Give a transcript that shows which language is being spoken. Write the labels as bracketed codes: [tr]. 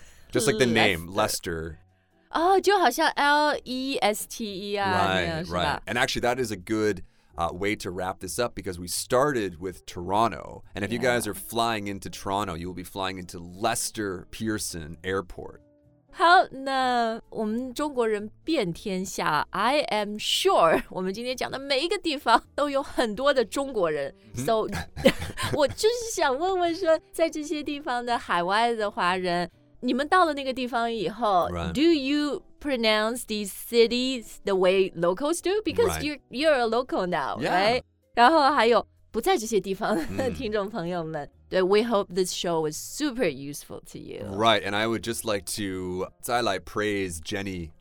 [en] Just like the name, Leicester. [zh] Oh, 就好像 L-E-S-T-E-R. [en] Right, right. And actually, that is a good... way to wrap this up because we started with Toronto and if、you guys are flying into Toronto you will be flying into Lester Pearson Airport [zh] 好那我们中国人遍天下 [en] I am sure [zh] 我们今天讲的每一个地方都有很多的中国人 [en] So [zh] 我就是想问问说在这些地方的海外的华人你们到了那个地方以后、 [en] right. Do youpronounce these cities the way locals do because、 right. you're a local now、 yeah. [zh] right 然后还有不在这些地方的听众朋友们对 [en] we hope this show was super useful to you right and I would just like to praise Jenny